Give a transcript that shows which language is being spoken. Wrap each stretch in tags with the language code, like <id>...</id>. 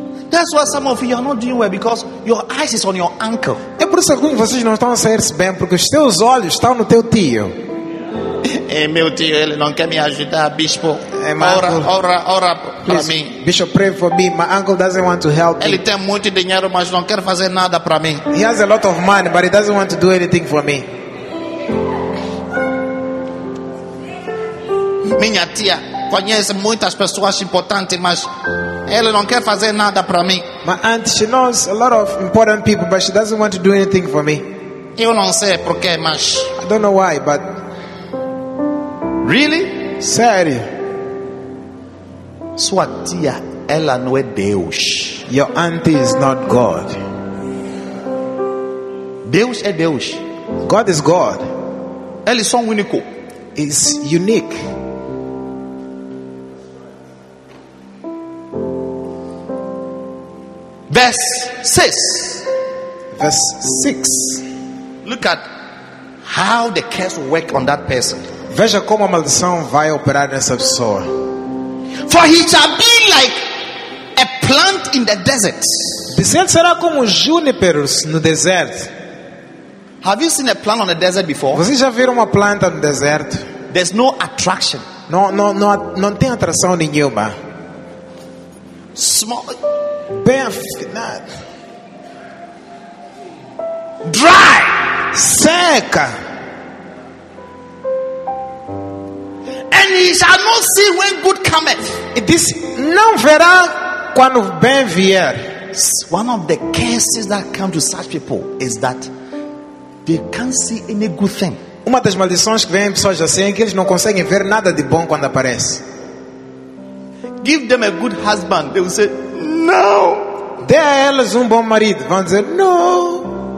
<en>That's why some of you are not doing well because your eyes is on your uncle.</en> <pt>É por isso que vocês não estão a sair bem porque os teus olhos estão no teu tio. É meu tio, ele não quer me ajudar, bispo. Ora para mim.</pt> <en>Bishop, pray for me. My uncle doesn't want to help</en> <pt>ele Ele tem muito dinheiro, mas não quer fazer nada para mim.</pt> <en>He has a lot of money, but he doesn't want to do anything for me.</en> <pt>Minha tia conhece muitas pessoas importantes, mas ele não quer fazer nada para mim.</pt> <en>My aunt, she knows a lot of important people, but she doesn't want to do anything for me.</en> <pt>Eu não sei por quê, mas</pt> <en>I don't know why, but really?</en> <pt>Sério? Sua tia, ela não é Deus.</pt> <en>Your auntie is not God.</en> <pt>Deus é Deus.</pt> <en>God is God.</en> <pt>Ela é só um único.</pt> <en>Is unique. Verse 6. Verse 6. Look at how the curse will work on that person.</en> <pt>Veja como a maldição vai operar nessa pessoa.</pt> <en>For he shall be like a plant in the desert.</en> <pt>Disse ele será como um juniper no deserto.</pt> <en>Have you seen a plant on the desert before?</en> <pt>Vocês já viram uma planta no deserto?</pt> <en>There's no attraction.</en> <pt>Não tem atração nenhuma.</pt> <en>Small.</en> <pt>Bem afinado.</pt> <en>Dry.</en> <pt>Seca.</pt> <en>And he shall not see when good cometh. It is</en> <pt>não verá quando bem vier.</pt> <en>One of the curses that come to such people is that they can't see any good thing.</en> <pt>Uma das maldições que vem pessoas assim é que eles não conseguem ver nada de bom quando aparece.</pt> <en>Give them a good husband, they will say no.</en> <pt>Dê a eles bom marido, vão dizer no.</pt>